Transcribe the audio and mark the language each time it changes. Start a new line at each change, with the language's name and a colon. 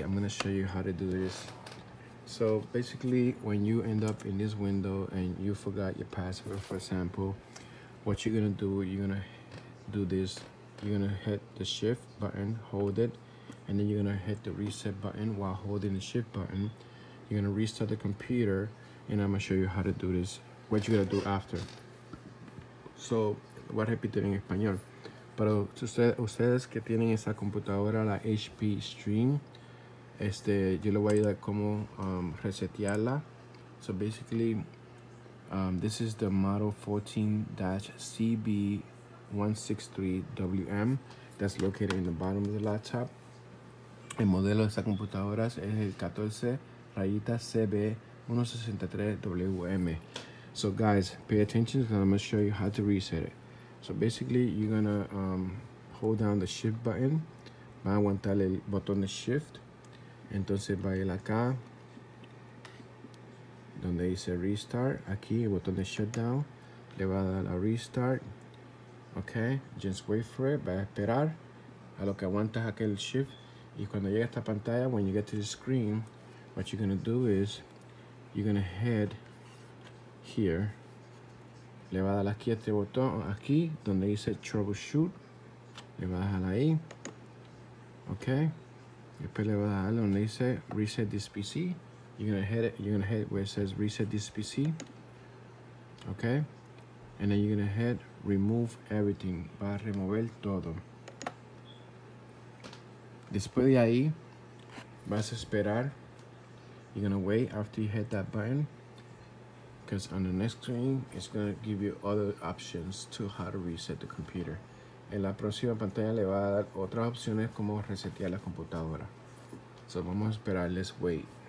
English: I'm going to show you how to do this. So basically, when you end up in this window and you forgot your password, for example, what you're going to do, you're going to do this. You're going to hit the shift button, hold it, and then you're going to hit the reset button while holding the shift button. You're going to restart the computer, and I'm going to show you how to do this, what you're going to do after.
Spanish: So, voy a repetir en español. Pero ustedes que tienen esa computadora, la HP Stream, yo le voy a ayudar cómo resetearla.
English: So basically, this is the model 14-CB163WM that's located in the bottom of the laptop.
Spanish: El modelo de esta computadora es el 14-CB163WM.
English: So guys, pay attention because I'm going to show you how to reset it. So basically, you're going to hold down the shift button.
Spanish: Va a aguantar el botón de shift. Entonces va a ir acá, donde dice restart. Aquí, el botón de shutdown. Le va a dar a restart. Okay,
English: just wait for it.
Spanish: Va a esperar a lo que aguantas aquel shift. Y cuando llegue a esta pantalla,
English: when you get to the screen, what you're going to do is, you're going to head here.
Spanish: Le va a dar aquí este botón, aquí, donde dice troubleshoot. Le va a dejar ahí. Okay. Después le va a dar donde dice reset this PC.
English: You're going to head where it says reset this PC. Okay. And then you're going to head remove everything.
Spanish: Va a remover todo. Después de ahí, vas a esperar.
English: You're going to wait after you hit that button. Because on the next screen, it's going to give you other options to how to reset the computer.
Spanish: En la próxima pantalla le va a dar otras opciones como resetear la computadora. So vamos a esperar.
English: Let's wait.